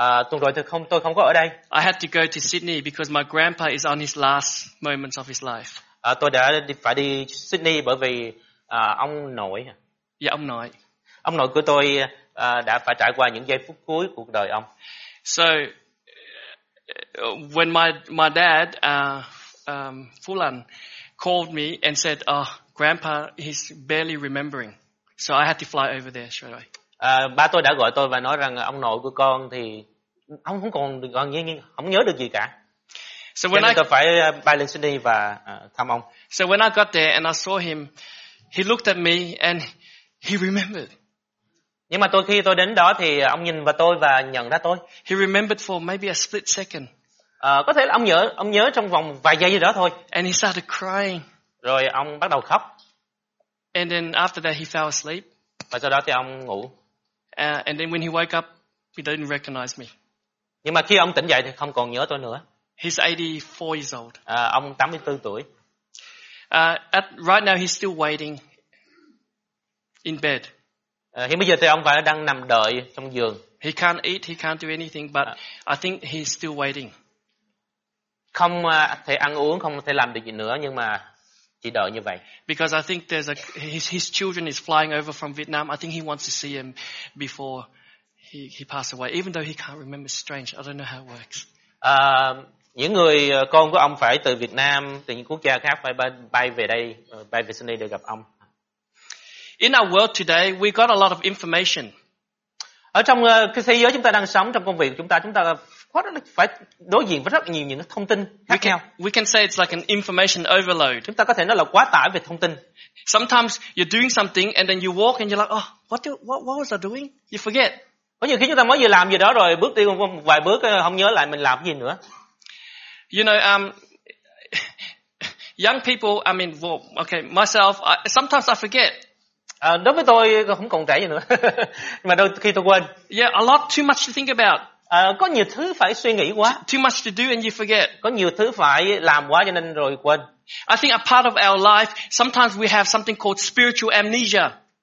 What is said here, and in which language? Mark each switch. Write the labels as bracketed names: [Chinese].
[Vietnamese] Tuần rồi tôi không có ở đây. [English] I had to go to Sydney because my grandpa is on his last moments of his life. [Vietnamese] Tôi đã phải đi Sydney bởi vì ông nội. Dạ ông nội. Ông nội của tôi đã phải trải qua những giây phút cuối cuộc đời ông. [English] So when my dad Fulan called me and said, "Oh, grandpa, he's barely remembering." So I had to fly over there straight away. [Vietnamese] Ba tôi đã gọi tôi và nói rằng ông nội của con thì ông không còn gọi như không nhớ được gì cả. [English] So when I [Vietnamese] phải bay lên Sydney và thăm ông. [English] So when I got there and I saw him, he looked at me and he remembered. [Vietnamese] Nhưng mà tôi khi tôi đến đó thì ông nhìn vào tôi và nhận ra tôi. [English] He remembered for maybe a split second. [Vietnamese] Có thể là ông nhớ trong vòng vài giây gì đó thôi. [English] And he started crying. [Vietnamese] Rồi ông bắt đầu khóc. [English] And then after that he fell asleep. [Vietnamese] Và sau đó thì ông ngủ. [English] And then when he woke up, he didn't recognize me. [Vietnamese] Nhưng mà khi ông tỉnh dậy thì không còn nhớ tôi nữa. [English] He's 84 years old. [Vietnamese] Ông 84 tuổi. [English] Right now he's still waiting in bed. [Vietnamese] Hiện bây giờ thì ông vẫn đang nằm đợi trong giường. [English] He can't eat, he can't do anything, but I think he's still waiting. [Vietnamese] Không thể ăn uống, không thể làm được gì nữa, nhưng mà chỉ đợi như vậy. [English] Because I think there's his children is flying over from Vietnam. I think he wants to see him before he passed away. Even though he can't remember, strange. I don't know how it works. [Vietnamese] Những người con của ông phải từ Việt Nam, từ những quốc gia khác phải bay về đây, bay về Sydney để gặp ông. [English] In our world today, we got a lot of information. [Vietnamese] Ở trong cái thế giới chúng ta đang sống, trong công việc chúng ta phải đối diện với rất nhiều những thông tin khác nhau. [English] We can say it's like an information overload. [Vietnamese] Chúng ta có thể nói là quá tải về thông tin. [English] Sometimes you're doing something and then you walk and you're like, oh, what was I doing? You forget. [Vietnamese] Có nhiều khi chúng ta mới vừa làm gì đó rồi bước đi một vài bước không nhớ lại mình làm gì nữa. [English] You know, young people, I mean, well, okay, myself, sometimes I forget. [Vietnamese] Đối với tôi không còn trẻ gì nữa. Mà đôi khi tôi quên. [English] Yeah, a lot too much to think about. [Vietnamese] Có nhiều thứ phải suy nghĩ quá. [English] Too much to do and you forget. [Vietnamese] Có nhiều thứ phải làm quá cho nên rồi quên. [English] I think a part of our life, sometimes we have something called spiritual amnesia.